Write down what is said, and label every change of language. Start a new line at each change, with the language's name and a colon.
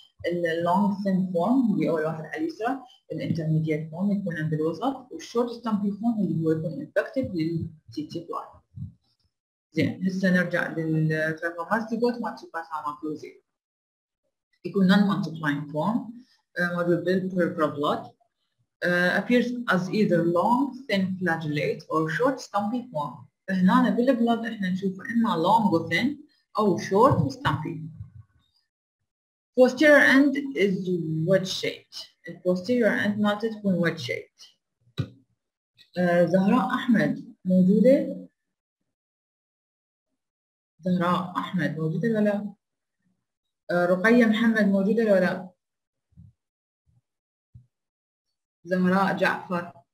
Arabic: ال
English: long thin form
Arabic: اللي أول واحد على اليسرى، ال
English: intermediate form
Arabic: يكون عند الوسط، وال
English: short stumpy form
Arabic: اللي هو يكون infected للتيتيب واحد. زين هسه نرجع للترايكوماستيغوت مال تريبانوسوما بلوزي. يكون نون مالتيبلاينج فورم موجود بالبربرا بلود.
English: appears as either long thin flagellate or short stumpy form.
Arabic: فهنا بالبلود احنا نشوف اما
English: long thin
Arabic: او
English: short stumpy. posterior end is wedge shaped.
Arabic: ال
English: posterior end
Arabic: مالته تكون
English: wedge shaped.
Arabic: زهراء احمد موجوده؟ زهراء أحمد موجودة ولا لا؟ رقية محمد موجودة ولا لا؟ زهراء جعفر؟